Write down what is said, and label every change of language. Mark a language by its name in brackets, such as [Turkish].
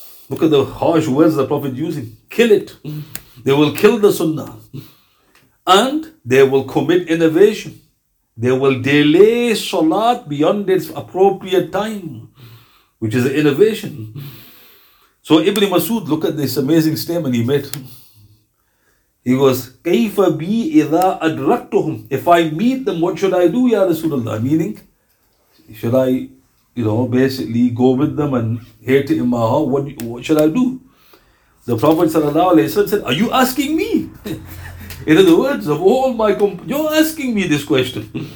[English] Look at the harsh words the Prophet using. Kill it. They will kill the sunnah. And they will commit innovation. They will delay salat beyond its appropriate time, which is an innovation. So Ibn Masood, look at this amazing statement he made. He goes, [Arabic] كَيْفَ بِي إِذَا أَدْرَكْتُهُمْ. [English] If I meet them, what should I do, Ya Rasulullah? Meaning, should I, basically go with them and hate to imam? What should I do? The Prophet sallallahu alayhi wa sallam said, are you asking me? In other words, of all my companions, you're asking me this question.